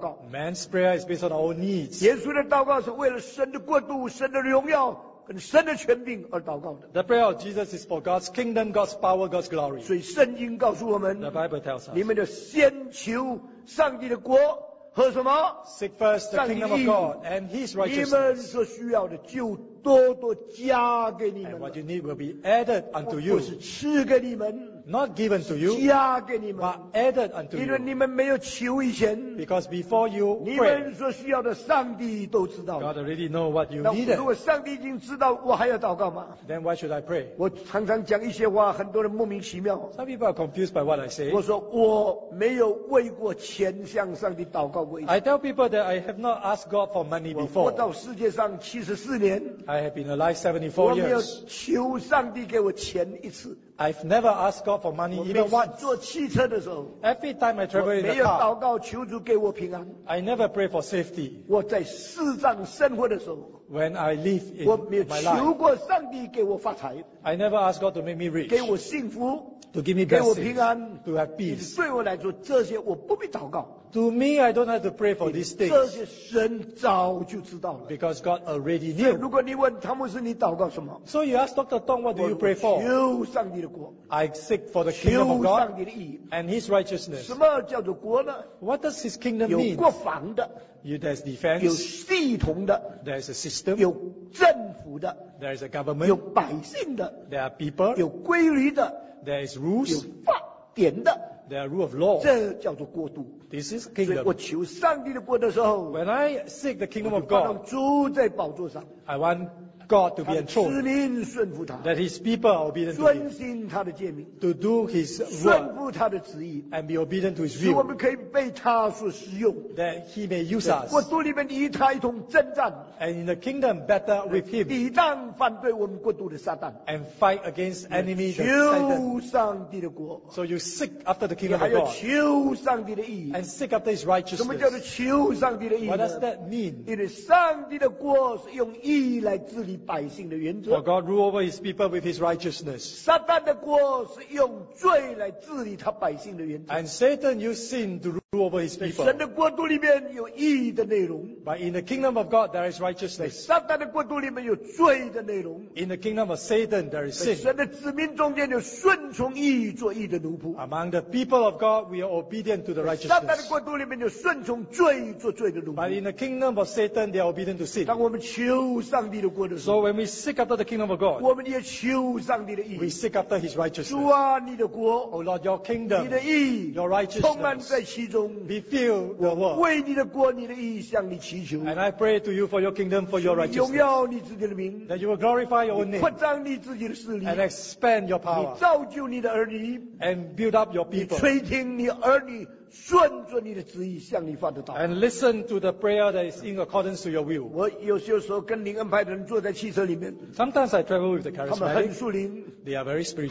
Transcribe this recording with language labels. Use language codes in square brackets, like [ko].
[en] Man's prayer is based on our needs. Jesus' prayer is for God's kingdom, God's glory. [zh] 跟神的权柄而祷告的。 [en] The prayer of Jesus is for God's kingdom, God's power, God's glory. [zh] 所以圣经告诉我们 [en] ，The Bible tells us， [zh] 你们要先求上帝的国和什么 [en] ？Seek first the kingdom of God and His righteousness. [zh] 你们所需要的就多多加给你们。 [en] And what you need will be added unto you. [zh] 不是赐给你们。 [en] Not given to you, [zh] 加给你们, [en] but added unto you. [zh] 因为你们没有求以前, [en] because before you pray, [zh] 你们所需要的上帝都知道。 [en] God already know what you needed. [zh] 那如果上帝已经知道，我还要祷告吗？ [en] Then why should I pray? [zh] 我常常讲一些话，很多人莫名其妙。 [en] Some people are confused by what I say. [zh] 我说我没有为过钱向上帝祷告过一次。 [en] I tell people that I have not asked God for money before. [zh] 我活到世界上74年。 [en] I have been alive 74 years. [zh] 我没有求上帝给我钱一次。 [en] I've never asked God for money even once. [zh] 坐汽车的时候 [en] ，Every time I travel in the car, [zh] 我没有祷告求主给我平安。 [en] I never pray for safety. [zh] 我在世上生活的时候 [en] ，When I live in my life, [zh] 我没有求过上帝给我发财。 [en] I never asked God to make me rich. [zh] 给我幸福 [en] ，To give me blessings. [zh] 给我平安 [en] ，To have peace. [zh] 对我来说，这些我不必祷告。 [en] To me, I don't have to pray for these things. [zh] 这些神早就知道了。 [en] Because God already knew. [zh] 如果你问汤姆斯，你祷告什么 [en] ？So you ask Dr. Tong, what do you pray for? [zh] 求上帝的国。 [en] I seek for the kingdom of God. [zh] 求上帝的义。 [en] And His righteousness. [zh] 什么叫做国呢 [en] ？What does His kingdom mean? [zh] 有国防的。 [en] There's defense. [zh] 有系统的。 [en] There's a system. [zh] 有政府的。 [en] There's a government. [zh] 有百姓的。 [en] There are people. [zh] 有规律的。 [en] There's rules. [zh] 有法典的。 [en] There are rule of law. [zh] 这叫做国度。 [en] This is kingdom. [zh] 所以我求上帝的国的时候 [en] ，When I seek the kingdom of God, [zh] 住在宝座上 [en] ，I want God to be enthroned. [zh] 他的子民顺服他 [en] ，That His people are obedient to Him. [zh] 遵行他的诫命 [en] ，To do His word. [zh] 顺服他的旨意 [en] ，And be obedient to His will. [zh] 使我们可以被他所使用 [en] ，That He may use us. [zh] 国度里面与他一同征战 [en] ，And in the kingdom battle with Him. [zh] 抵挡反对我们国度的撒旦 [en] ，And fight against enemy the [zh] Satan. 求上帝的国 [en] ，So you seek after the kingdom of God. [zh] 你还要求上帝的义。 [en] Seek after His righteousness. [zh] 什么叫做求上帝的义呢 [en] ？What does that mean? [zh] 因为上帝的国是用义来治理百姓的原则。 [en] For God rule over His people with His righteousness. [zh] 撒旦的国是用罪来治理他百姓的原则。 [en] And Satan used sin to rule over His people. [zh] 神的国度里面有义的内容。 [en] But in the kingdom of God there is righteousness. [zh] 撒旦的国度里面有罪的内容。 [en] In the kingdom of Satan there is sin. [zh] 神的子民中间有顺从义做义的奴仆。 [en] Among the people of God we are obedient to the righteousness. [zh] 在国度里面就顺从罪做罪的奴仆。 [en] But in the kingdom of Satan, they are obedient to sin. [zh] 当我们求上帝的国的时候 [en] ，So when we seek after the kingdom of God, [zh] 我们也求上帝的义。 [en] We seek after His righteousness. [zh] 主啊，你的国 [en] ，Oh Lord, Your kingdom, [zh] 你的义 [en] ，Your righteousness, [zh] 充满在其中。 [en] Be filled the world. [zh] 为你的国，你的义向你祈求。 [en] And I pray to you for Your kingdom, for Your righteousness. [zh] 荣耀你自己的名 [en] ，That you will glorify Your own name. [zh] 扩张你自己的势力 [en] ，And expand Your power. [zh] 你造就你的儿女 [en] ，And build up Your people. [zh] 你垂听你儿女。顺着你的旨意向你发的祷告。 [en] And listen to the prayer that is in accordance to your will. [zh] 我有些时候跟灵恩派的人坐在汽车里面。 [en] Sometimes I travel with the charismatic. [zh] 他们很属灵。 [en] They are very spiritual.